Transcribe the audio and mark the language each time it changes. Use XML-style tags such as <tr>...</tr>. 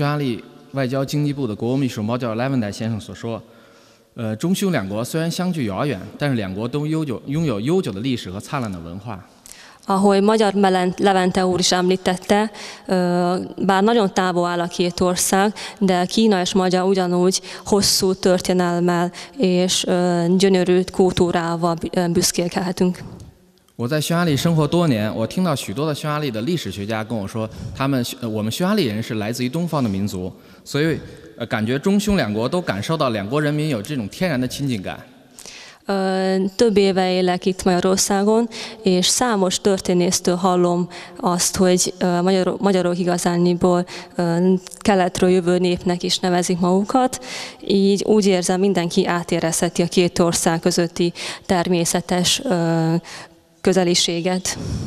<zh>就像我们匈牙利外交经济部的国务秘书毛叫 Lavender 先生所说，中匈两国虽然相距遥远，但是两国都拥有悠久的历史和灿烂的文化。</zh> <hu>Ahogy Magyar Levente úr is említette, bár nagyon távol áll a két ország, de Kína és Magyar ugyanúgy hosszú történelmel és gyönyörű kultúrával büszkélkedhetünk.</hu> <zh>我在匈牙利生活多年，我听到许多的匈牙利的历史学家跟我说，他们我们匈牙利人是来自于东方的民族，所以感觉中匈两国都感受到两国人民有这种天然的亲近感。</zh> <hu>Több éve élek itt Magyarországon, és számos történésztől hallom azt, hogy magyarok igazániból keletről jövő népnek is nevezik magukat, így úgy érzem, mindenki átérezheti a két ország közötti természetes közeliséget.</hu>